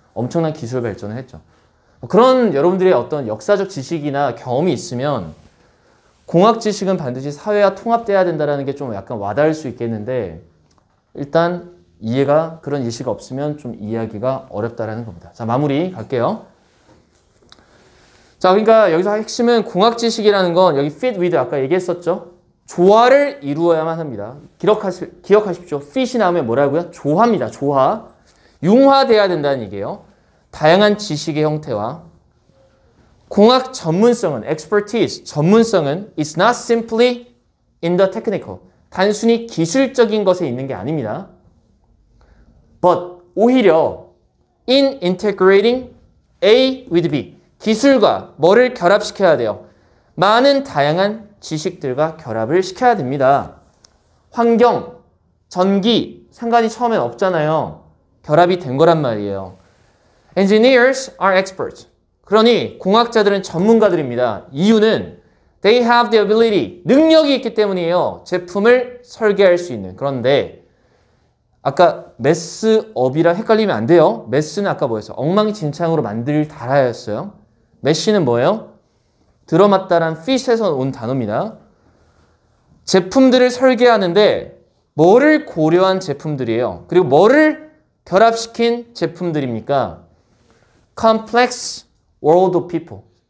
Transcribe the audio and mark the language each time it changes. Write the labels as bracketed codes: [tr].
[ko] 엄청난 기술 발전을 했죠. 그런 여러분들의 어떤 역사적 지식이나 경험이 있으면 공학 지식은 반드시 사회와 통합돼야 된다는 게 좀 약간 와닿을 수 있겠는데 일단 이해가 그런 예시가 없으면 좀 이해하기가 어렵다는 겁니다. 자 마무리 갈게요. 자 그러니까 여기서 핵심은 공학 지식이라는 건 여기 fit with 아까 얘기했었죠? 조화를 이루어야만 합니다. 기억하십시오. fit이 나오면 뭐라고요? 조화입니다. 조화. 융화되어야 된다는 얘기예요. 다양한 지식의 형태와 공학 전문성은 [en] expertise, 전문성은 it's not simply in the technical. [ko] 단순히 기술적인 것에 있는 게 아닙니다. [en] But [ko] 오히려 [en] in integrating A with B. [ko] 기술과 뭐를 결합시켜야 돼요? 많은 다양한 지식들과 결합을 시켜야 됩니다. 환경, 전기, 상관이 처음엔 없잖아요. 결합이 된 거란 말이에요. [en] Engineers are experts. [ko] 그러니 공학자들은 전문가들입니다. 이유는 [en] they have the ability, [ko] 능력이 있기 때문이에요. 제품을 설계할 수 있는. 그런데 아까 mess업이라 헷갈리면 안 돼요. mess는 아까 뭐였어요? 엉망진창으로 만들 달아였어요. mess는 뭐예요? 들어맞다란 fit에서 온 단어입니다. 제품들을 설계하는데 뭐를 고려한 제품들이에요? 그리고 뭐를 결합시킨 제품들입니까? [en] Complex world of people.